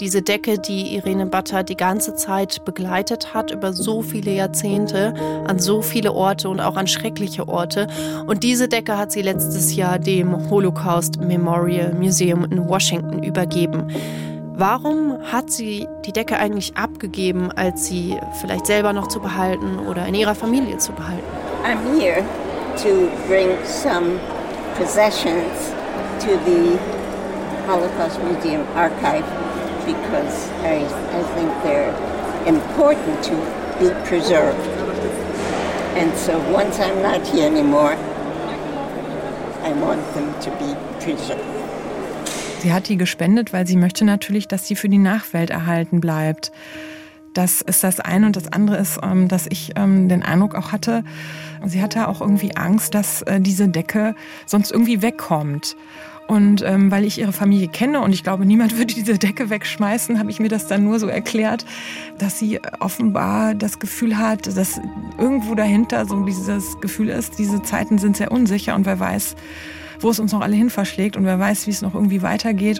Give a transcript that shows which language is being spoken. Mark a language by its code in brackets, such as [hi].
[de] Diese Decke, die Irene Batter die ganze Zeit begleitet hat, über so viele Jahrzehnte, an so viele Orte und auch an schreckliche Orte. Und diese Decke hat sie letztes Jahr dem Holocaust Memorial Museum in Washington übergeben. Warum hat sie die Decke eigentlich abgegeben, als sie vielleicht selber noch zu behalten oder in ihrer Familie zu behalten? [en] I'm here to bring some possessions to the Holocaust Museum archive because I think they're important to be preserved. And so once I'm not here anymore, I want them to be preserved. [de] Sie hat die gespendet, weil sie möchte natürlich, dass sie für die Nachwelt erhalten bleibt. Das ist das eine. Und das andere ist, dass ich den Eindruck auch hatte, sie hatte auch irgendwie Angst, dass diese Decke sonst irgendwie wegkommt. Und weil ich ihre Familie kenne und ich glaube, niemand würde diese Decke wegschmeißen, habe ich mir das dann nur so erklärt, dass sie offenbar das Gefühl hat, dass irgendwo dahinter so dieses Gefühl ist, diese Zeiten sind sehr unsicher und wer weiß, wo es uns noch alle hin verschlägt und wer weiß, wie es noch irgendwie weitergeht.